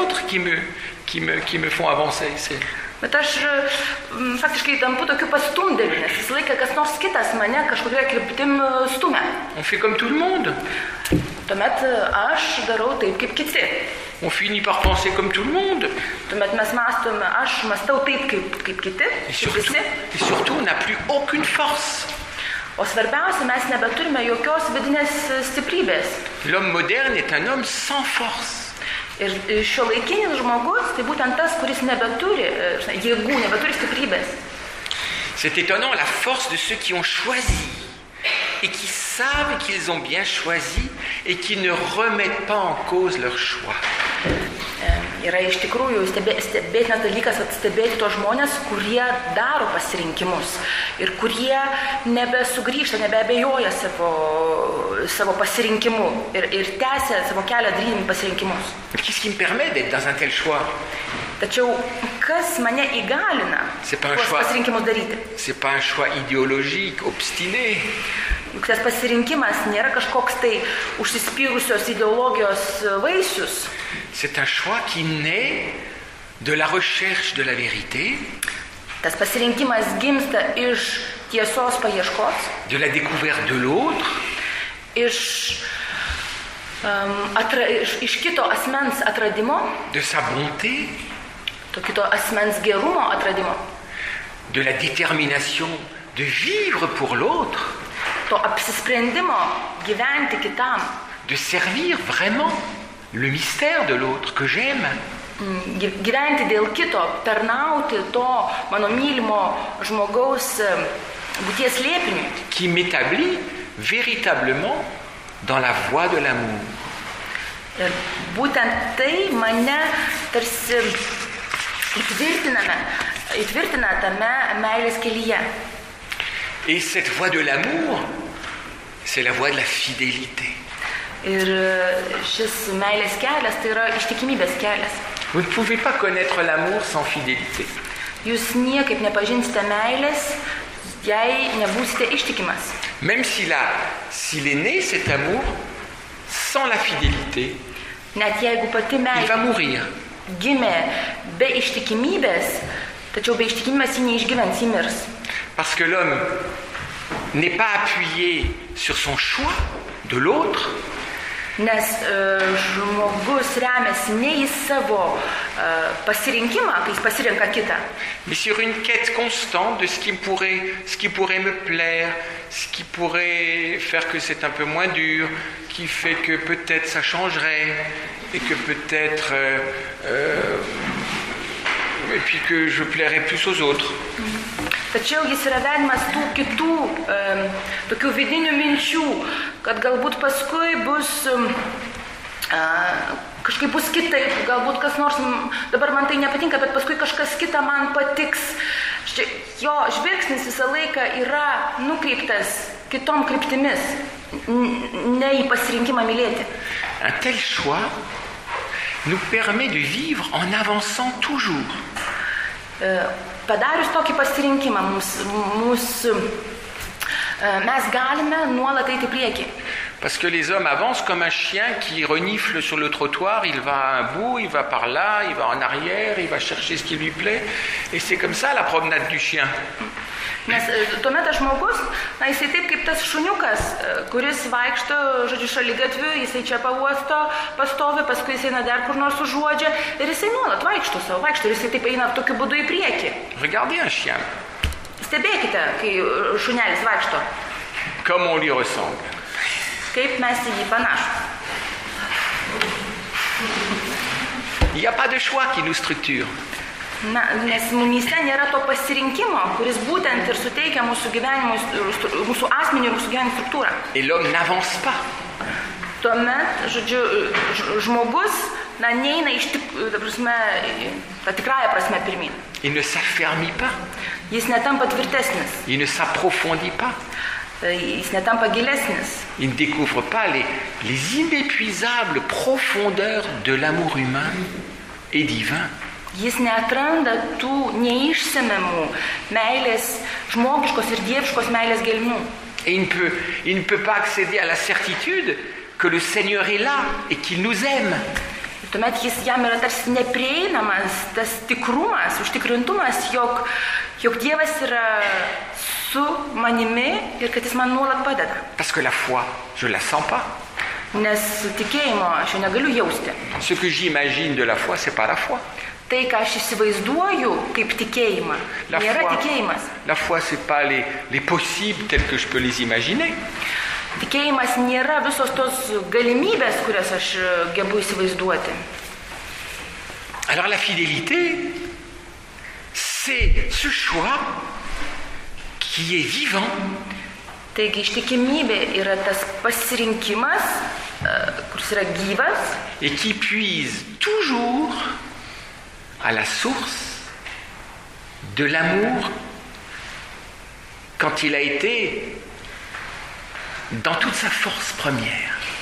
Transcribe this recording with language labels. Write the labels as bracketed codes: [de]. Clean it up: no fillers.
[fr] C'est les autres qui me font avancer. [lt] Bet aš faktiškai tampu tokiu pastumdėliu, nes vis laiką kas nors kitas mane kažkurioje kryptim stumia. [fr] On fait comme tout le monde. [lt] Tuomet aš darau taip kaip kiti. [fr] On finit par penser comme tout le monde. [lt] Tuomet mes mastom, aš mastau taip kaip kiti. [fr] Et surtout on n'a plus aucune force. [lt] O svarbiausia, mes nebeturime jokios vidinės stiprybės. [fr] L'homme moderne est un homme sans force. [lt] Ir šiuolaikinis žmogus, tai būtent tas, kuris nebeturi jėgų, nebeturi stiprybės. [fr] C'est étonnant la force de ceux qui ont choisi et qui savent qu'ils ont bien choisi et qui ne remettent pas en cause leur choix. [lt] Yra iš tikrųjų stebėtinas dalykas atstebėti tos žmonės, kurie daro pasirinkimus ir kurie nebesugrįžta, nebeabejoja savo pasirinkimu ir tęsia savo kelią darydami pasirinkimus. [fr] Qu'est-ce qui me permet d'être dans un tel choix? [lt] Tačiau kas mane įgalina tuos pasirinkimus daryti? [fr] C'est pas un choix idéologique, obstiné. [lt] Juk tas pasirinkimas nėra kažkoks tai užsispyrusios ideologijos vaisius. [fr] C'est un choix qui naît de la recherche de la vérité. [lt] Tas pasirinkimas gimsta iš tiesos paieškos. [fr] De la découverte de l'autre. [lt] Iš kito asmens atradimo. [fr] De sa bonté. [lt] To kito asmens gerumo atradimo. [fr] De la détermination de vivre pour l'autre. [lt] To apsisprendimo gyventi kitam. [fr] De servir vraiment le mystère de l'autre que j'aime. [lt] Gyventi dėl kito, tarnauti to mano mylimo žmogaus būties slėpiniui. [fr] Qui m'établit véritablement dans la voie de l'amour. [lt] Ir būtent tai mane tarsi įtvirtina tame meilės kelyje. [fr] Et cette voie de l'amour, c'est la voie de la fidélité. [lt] Ir šis meilės kelias, tai yra ištikimybės kelias. [fr] Vous ne pouvez pas connaître l'amour sans fidélité. [lt] Jūs niekaip nepažinsite meilės, jei nebūsite ištikimas. [fr] Même s'il est né cet amour sans la fidélité, [lt] net jeigu pati meilė [fr] il va mourir. [lt] Gimė be ištikimybės, Tačiau be ištikimybės jis neišgyvens, jis mirs. [fr] Parce que l'homme n'est pas appuyé sur son choix de l'autre. [lt] Nes žmogus remiasi ne į savo pasirinkimą, kai jis pasirinka kitą. [fr] Mais sur une quête constante de ce qui pourrait me plaire, ce qui pourrait faire que c'est un peu moins dur, qui fait que peut-être ça changerait et que peut-être et puis que je plairais plus aux autres. [lt] Tačiau jis yra vedimas tų kitų tokių vidinių minčių, kad galbūt paskui bus kažkaip bus kitaip, galbūt kas nors dabar man tai nepatinka, bet paskui kažkas kita man patiks. Jo žvilgsnis visą laiką yra nukreiptas kitom kryptimis, ne į pasirinkimą mylėti. [fr] Un tel choix nous permet de vivre en avançant toujours. [lt] Padarius tokį pasirinkimą, mes galime nuolat eiti į priekį. [fr] Parce que les hommes avancent comme un chien qui renifle sur le trottoir, il va à un bout, il va par là, il va en arrière, il va chercher ce qui lui plaît, et c'est comme ça la promenade du chien. [lt] Nes tuomet žmogus, na, jisai taip kaip tas šuniukas, kuris vaikšto, žodžiu, šaly gatvių, jisai čia pauosto, pastovi, paskui jisai na dar kur nors užuodžia, ir jisai nuolat vaikšto savo, vaikšto, ir jisai taip eina tokiu būdu į priekį. [fr] Regardez un chien. [lt] Stebėkite, kai šunelis vaikšto. [fr] Comme on lui ressemble. [lt] Kaip mes į jį panašus. [fr] Il n'y a pas de choix qui nous structure. [lt] Na, nes mumyse nėra to pasirinkimo, kuris būtent ir suteikia mūsų gyvenimo, mūsų asmenį ir mūsų gyvenimo struktūrą. [fr] Et l'homme n'avance pas. [lt] Tuomet, žodžiu, žmogus, na, neina iš tikrąją prasme pirmin. [fr] Il ne s'affermit pas. [lt] Jis netampa tvirtesnis. [fr] Il ne s'approfondit pas. [lt] Jis netampa gilesnis. [fr] Il ne découvre pas les inépuisables profondeurs de l'amour humain et divin. [lt] Jis neatranda tų neišsemiamų meilės, žmogiškos ir dieviškos meilės gelmių. [fr] Il ne peut pas accéder à la certitude que le Seigneur est là et qu'il nous aime. [lt] Ir tuomet jis jam yra tarsi neprieinamas tas tikrumas, užtikrintumas, jog Dievas yra su manimi ir kad jis man nuolat padeda. [fr] Parce que la foi, je la sens pas. [lt] Nes tikėjimo aš jau negaliu jausti. [fr] Ce que j'imagine de la foi, c'est pas la foi. [lt] Tai, ką aš įsivaizduoju kaip tikėjimą, nėra tikėjimas. [fr] La foi, c'est pas les possibles tels que je peux les imaginer. [lt] Tikėjimas nėra visos tos galimybės, kurias aš gebu įsivaizduoti. [fr] Alors la fidélité, c'est ce choix qui est vivant. [lt] Taigi, ištikimybė yra tas pasirinkimas, kuris yra gyvas. [fr] Et qui puise toujours à la source de l'amour quand il a été dans toute sa force première.